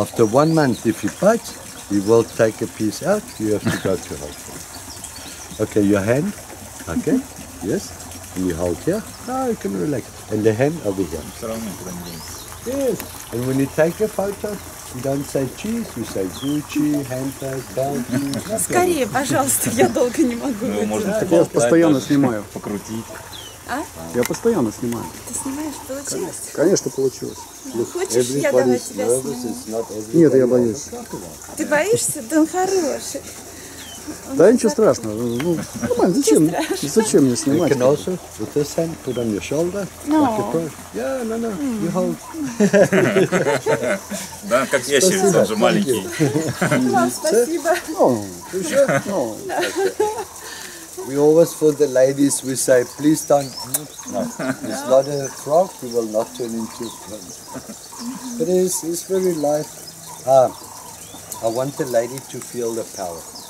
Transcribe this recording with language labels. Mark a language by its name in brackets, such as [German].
[English] After 1 month, if you bite, you will take a piece out. You have to go to hold it. Okay, your hand. Okay. Mm-hmm. Yes. And you hold here. No, you can relax. And the hand over here. Yes. And when you take a photo, you don't say cheese. You say Gucci, handbag, belt. [Russian] Скорее, пожалуйста, я долго не могу. Ну, можно такого постоянно снимаю. Покрутить. А? Я постоянно снимаю. Ты снимаешь? Получилось? Конечно, получилось. Ну, хочешь, я давай тебя сниму? Нет, я боюсь. Ты боишься? Да он хороший. Да ничего страшного. Ну, нормально, зачем? Зачем мне снимать? [English] You can also with this hand put on your shoulder. No. Like a push. Yeah, no. Mm. You hold. [Russian] Да, как ящерица, он же маленький. Спасибо. [English] No. You sure? No. We always, for the ladies, we say, please don't. No, it's not a frog, you will not turn into a frog. But it's very life. I want the lady to feel the power.